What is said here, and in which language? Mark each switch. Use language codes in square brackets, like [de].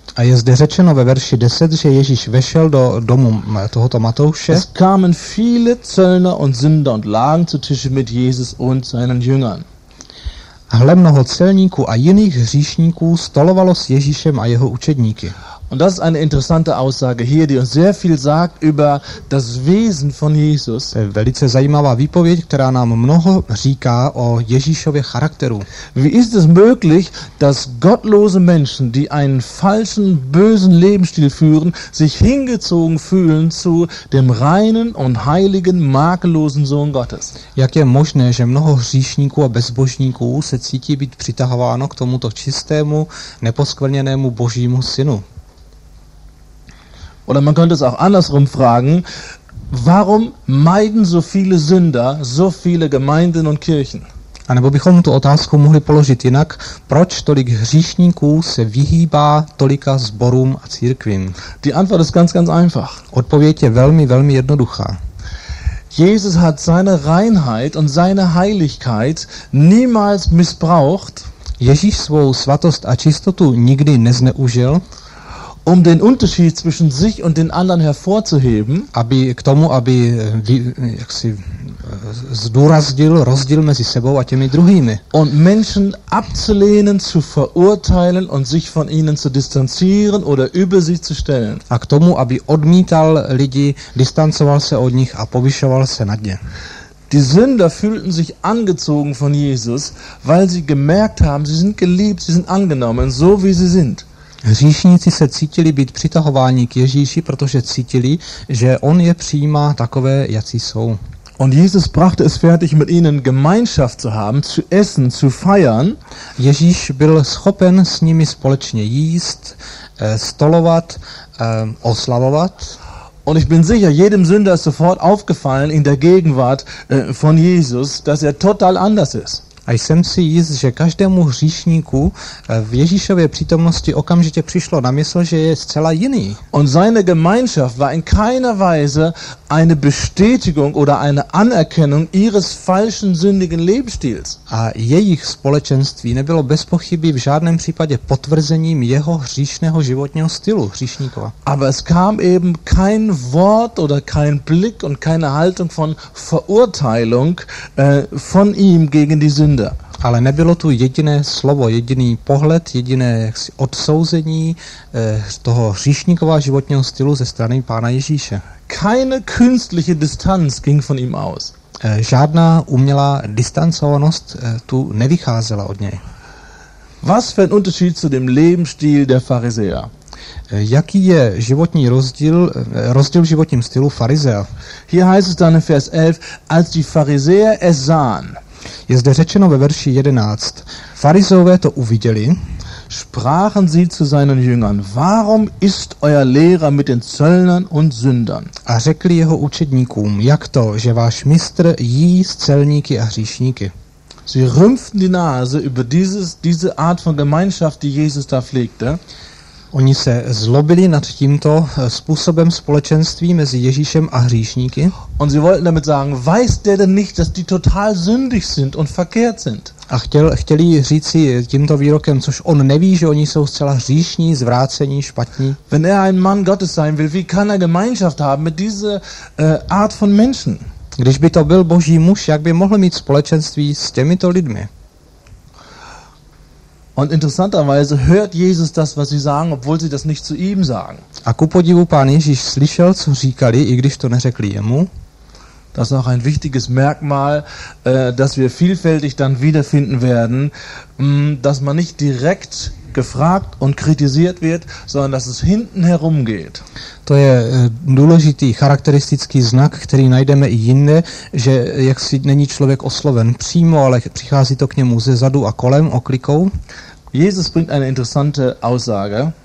[cs] A je zde řečeno ve verši 10, že Ježíš vešel do domu tohoto Matouše. [de] Es kamen viele Zöllner und Sünder und lagen zu Tische mit Jesus und seinen Jüngern. [cs] A hle mnoho celníků a jiných hříšníků stolovalo s Ježíšem a jeho učedníky. [de] Und das ist eine interessante Aussage hier, die uns sehr viel sagt über das Wesen von Jesus. [cs] To je velice zajímavá výpověď, která nám mnoho říká o Ježíšově charakteru. [de] Wie ist es möglich, dass gottlose Menschen, die einen falschen, bösen Lebensstil führen, sich hingezogen fühlen zu dem reinen und heiligen, makellosen Sohn Gottes? [cs] Jak je možné, že mnoho hříšníků a bezbožníků se cítí být přitahováno k tomuto čistému, neposkvrněnému Božímu synu? [de] Oder man könnte es auch andersrum fragen, warum meiden so viele Sünder so viele Gemeinden und Kirchen? [cs] A nebo bychom tu otázku mohli položit jinak, proč tolik hříšníků se vyhýbá tolika sborům a církvím? [de] Die Antwort ist ganz, ganz einfach. [cs] Odpověď je velmi, velmi jednoduchá. [de] Jesus hat seine Reinheit und seine Heiligkeit niemals missbraucht. [cs] Ježíš svou svatost a čistotu nikdy nezneužil, [de] um den Unterschied zwischen sich und den anderen hervorzuheben, [cs] aby k tomu, aby jaksi zdůraznil rozdíl mezi sebou a těmi druhými. [de] Und Menschen abzulehnen, zu verurteilen und sich von ihnen zu distanzieren oder über sie zu stellen. [cs] A k tomu, aby odmítal lidi, distancoval se od nich a povyšoval se nad ně. [de] Die Sünder fühlten sich angezogen von Jesus, weil sie gemerkt haben, sie sind geliebt, sie sind angenommen, so wie sie sind. [cs] Hříšníci se cítili být přitahováni k Ježíši, protože cítili, že on je přijímá takové, jací jsou. [de] Und Jesus brachte es fertig mit ihnen Gemeinschaft zu haben, zu essen, zu feiern. [cs] Ježíš byl schopen s nimi společně jíst, stolovat, oslavovat. [de] Und ich bin sicher, jedem Sünder ist sofort aufgefallen in der Gegenwart von Jesus, dass er total anders ist. [cs] A jsem si jist, že každému hříšníku v Ježíšově přítomnosti okamžitě přišlo na mysl, že je zcela jiný. [de] Und seine Gemeinschaft war in keiner Weise eine Bestätigung oder eine Anerkennung ihres falschen sündigen Lebensstils. [cs] A jejich společenství nebylo bez pochyby v žádném případě potvrzením jeho hříšného životního stylu hříšníkova. [de] Aber es kam eben kein Wort oder kein Blick und keine Haltung von Verurteilung von ihm gegen die Sünde. [cs] Ale nebylo tu jediné slovo, jediný pohled, jediné jaksi odsouzení toho hříšníkova životního stylu ze strany Pána Ježíše. [de] Keine künstliche Distanz ging von ihm aus. [cs] Žádná umělá distancovanost tu nevycházela od něj. [de] Was für ein Unterschied zu dem Lebensstil der Pharisäer? [cs] Jaký je životní rozdíl v životním stylu farizea? [de] Hier heißt es dann in Vers 11, als die Pharisäer es sahen. [cs] Je zde řečeno ve verši 11. Farizové to uviděli. [de] Sprachen sie zu seinen Jüngern, warum ist euer Lehrer mit den Zöllnern und Sündern? [cs] A řekli jeho učedníkům, jak to, že váš mistr jí s celníky a hříšníky. [de] Sie rümpften die Nase über diese Art von Gemeinschaft, die Jesus da pflegte. [cs] Oni se zlobili nad tímto způsobem společenství mezi Ježíšem a hříšníky. [de] Und sie wollten damit sagen, weiß der denn nicht, dass die total sündig sind und verkehrt sind? [cs] A chtěli říci tímto výrokem, což on neví, že oni jsou zcela hříšní, zvrácení, špatní. [de] Wenn er ein Mann Gottes sein will, wie kann er Gemeinschaft haben mit dieser Art von Menschen? [cs] Když by to byl Boží muž, jak by mohl mít společenství s těmito lidmi? [de] Und interessanterweise hört Jesus das, was sie sagen, obwohl sie das nicht zu ihm sagen. [cs] A ku podivu pán Ježíš slyšel, co říkali, i když to neřekli jemu. [de] Das ist auch ein wichtiges Merkmal, das wir vielfältig dann wiederfinden werden, dass man nicht direkt gefragt und kritisiert wird, sondern dass es hinten herum geht. [cs] To je důležitý charakteristický znak, který najdeme i jinde, že jaksi není člověk osloven přímo, ale přichází to k němu ze zadu a kolem oklikou. [de] Jesus bringt eine interessante Aussage.